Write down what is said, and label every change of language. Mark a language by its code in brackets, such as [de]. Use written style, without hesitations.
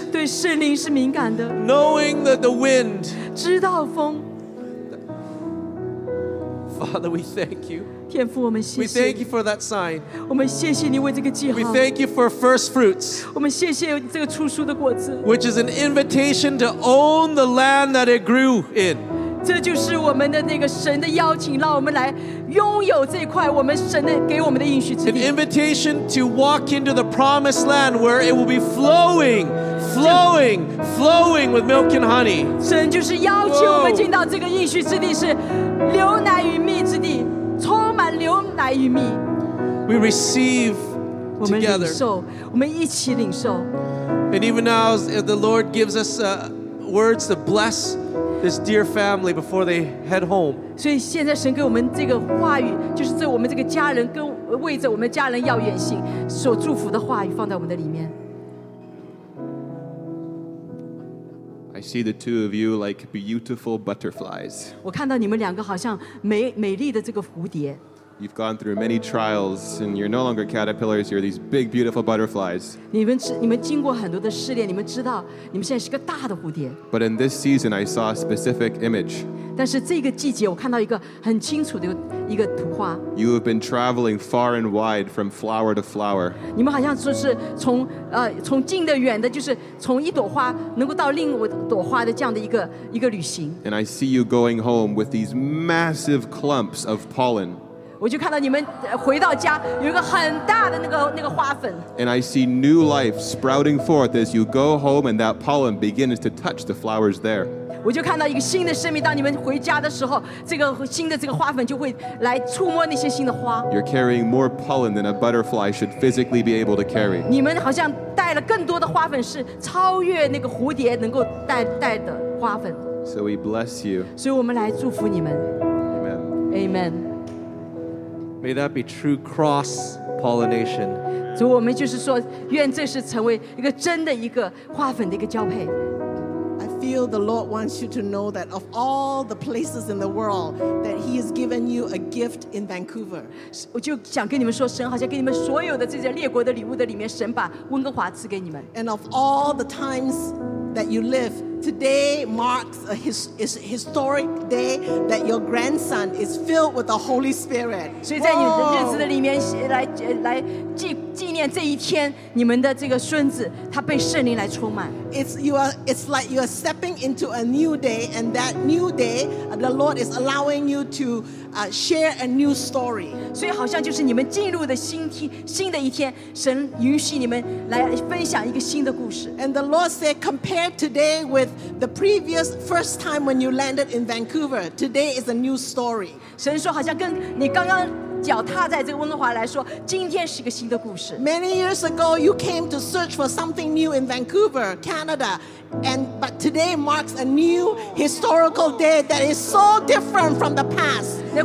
[zh] 对圣灵是敏感的 [en] knowing that the wind, [zh] 知道风 [en] Father, we thank you. [zh] 天父，我们谢谢 [en] We thank you for that sign. [zh] 我们谢谢你为这个记号 [en] We thank you for first fruits. [zh] 我们谢谢这个初熟的果子 [en] which is an invitation to own the land that it grew in. [zh] 这就是我们的那个神的邀请，让我们来拥有这块我们神的给我们的应许之地。 [en] An invitation to walk into the promised land where it will be flowing, flowing, flowing with milk and honey. [zh] 神就是邀请我们进到这个应许之地，是牛奶与蜜之地，充满牛奶与蜜。 [en] We receive together. [zh] 我们领受，我们一起领受。 [en] And even now, if the Lord gives us words to bless. This dear family before they head home. [zh] 所以现在神给我们这个话语，就是在我们这个家人跟为着我们家人要远行所祝福的话语放在我们的里面。 [en] I see the two of you like beautiful butterflies. [zh] 我看到你们两个好像美丽的这个蝴蝶。 [en] You've gone through many trials, and you're no longer caterpillars. You're these big, beautiful butterflies. [zh] 你们经过很多的试炼，你们知道，你们现在是个大的蝴蝶。 [en] But in this season, I saw a specific image. [zh] 但是这个季节，我看到一个很清楚的一个图画。 [en] You have been traveling far and wide, from flower to flower. [zh] 你们好像说是从近的远的，就是从一朵花能够到另一朵花的这样的一个旅行。 [en] And I see you going home with these massive clumps of pollen. [zh] 我就看到你们回到家有一个很大的那个花粉。 [en] And I see new life sprouting forth as you go home and that pollen begins to touch the flowers there. [zh] 我就看到一个新的生命当你们回家的时候这个新的这个花粉就会来触摸那些新的花。 [en] You're carrying more pollen than a butterfly should physically be able to carry. [zh] 你们好像带了更多的花粉是超越那个蝴蝶能够带的花粉。 [en] So we bless you. [zh] 所以我们来祝福你们。 [en] Amen. Amen. May that be true cross pollination. [zh] 主，我们就是说，愿这是成为一个真的一个花粉的一个交配。 [en] I feel the Lord wants you to know that of all the places in the world, that He has given you a gift in Vancouver. [zh] 我就想跟你们说，神好像给你们所有的这些列国的礼物的里面，神把温哥华赐给你们。 [en] And of all the times that you live, today marks a historic day that your grandson is filled with the Holy Spirit. [zh] 所以在你的日子里面来纪念这一天，你们的这个孙子他被圣灵来充满。 [en] It's like you are stepping into a new day, and that new day, the Lord is allowing you to share a new story. [zh] 所以好像就是你们进入的新天新的一天，神允许你们来分享一个新的故事。 [en] And the Lord said, compare today with the previous first time when you landed in Vancouver. Today is a new story. [zh] 神说好像跟你刚刚 脚踏在这个温哥华来说，今天是一个新的故事。 [en] Many years ago, you came to search for something new in Vancouver, Canada, but today marks a new historical day that is so different from the past.